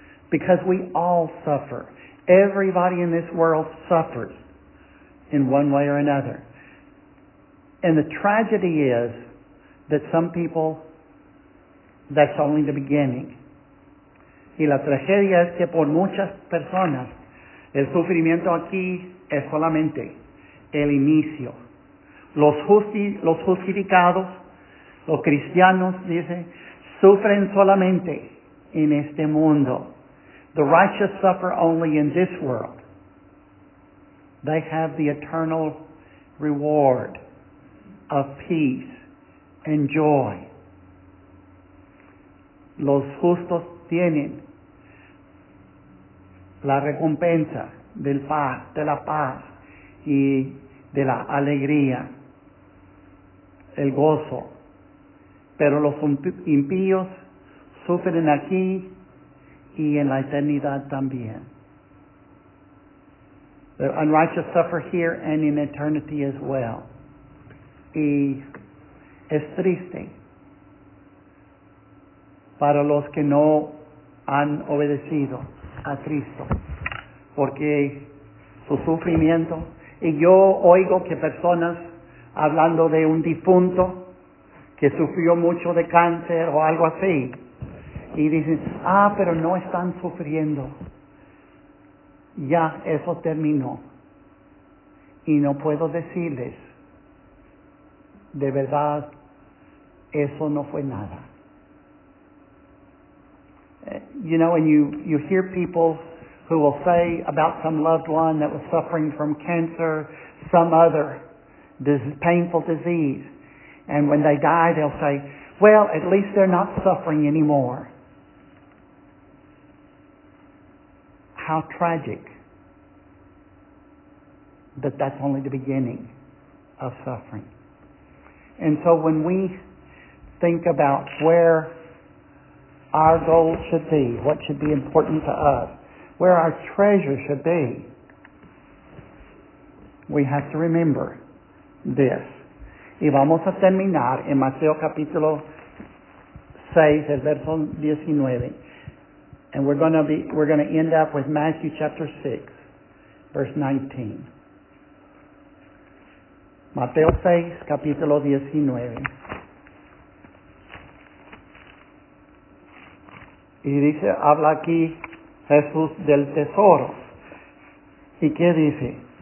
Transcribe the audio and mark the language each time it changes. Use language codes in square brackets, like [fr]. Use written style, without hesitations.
[en] Because we all suffer. Everybody in this world suffers in one way or another. And the tragedy is that some people, that's only the beginning. [es] Y la tragedia es que por muchas personas, el sufrimiento aquí es solamente el inicio. Los justificados, los cristianos, dice, sufren solamente en este mundo. [en] The righteous suffer only in this world. They have the eternal reward of peace and joy. [es] Los justos tienen la recompensa de la paz y de la alegría, el gozo. Pero los impíos sufren aquí y en la eternidad también. [en] The unrighteous suffer here and in eternity as well. [es] Y es triste para los que no han obedecido a Cristo, porque su sufrimiento, y yo oigo que personas hablando de un difunto que sufrió mucho de cáncer o algo así, y dicen, ah, pero no están sufriendo. Ya eso terminó. Y no puedo decirles, de verdad, eso no fue nada. [en] You know, when you hear people who will say about some loved one that was suffering from cancer, some other painful disease, And when they die, they'll say, well, at least they're not suffering anymore. How tragic that that's only the beginning of suffering. And so when we think about where our goal should be, what should be important to us, where our treasure should be, we have to remember this. [es] Y vamos a terminar en Mateo capítulo 6, el verso 19. [en] And we're going to end up with Matthew chapter 6, verse 19. [es] Mateo 6, capítulo 19. Y dice, habla aquí Jesús del tesoro. ¿Y qué dice?